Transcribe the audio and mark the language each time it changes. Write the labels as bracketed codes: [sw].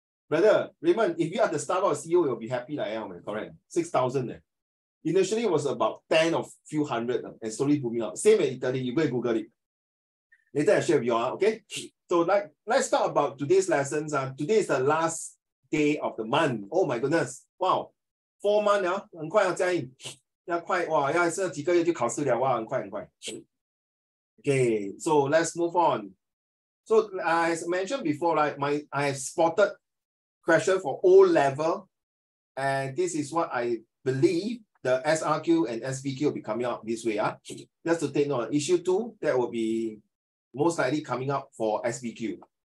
[en] Brother, Raymond, if you are the Starbucks CEO, you'll be happy like I am, correct? 6,000. Initially, it was about 10 or few hundred, and slowly booming up. Same in Italy, you go and Google it. Later, I'll share with you, okay? So, let's talk about today's lessons. Today is the last day of the month. Oh my goodness. Wow. 4 months, yeah? [zh] 很快要加印。要快, 哇, 要是几个月就考试了, 哇, 很快。 [en] Okay, so let's move on. So as mentioned before, like my I have spotted question for O level, and this is what I believe the SRQ and SVQ will be coming out this way. Just to take note, issue two, that will be most likely coming up for SVQ.